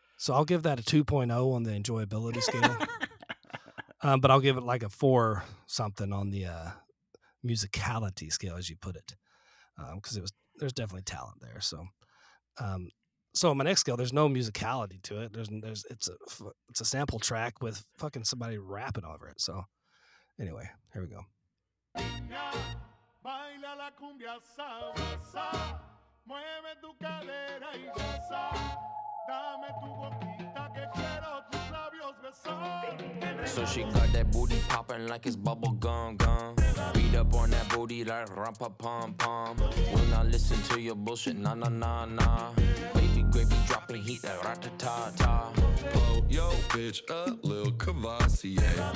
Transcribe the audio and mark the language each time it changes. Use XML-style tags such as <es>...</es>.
<en>I'll give that a 2.0 on the enjoyability scale. but I'll give it like a 4-something on the musicality scale, as you put it, because there's definitely talent there. So on my next scale, there's no musicality to it. It's a sample track with fucking somebody rapping over it. So anyway, here we go.</en> <es>Baila la cumbia sabrosa, mueve tu cadera y goza, dame tu boquita que quiero tus labios besar.</es> <en>So she got that booty popping like it's bubble gum gum. Beat up on that booty like rumpa pom pom. Will not listen to your bullshit, nah nah nah nah. Baby gravy dropping heat like rat ta ta ta. Blow yo bitch a little Cavassier.</en>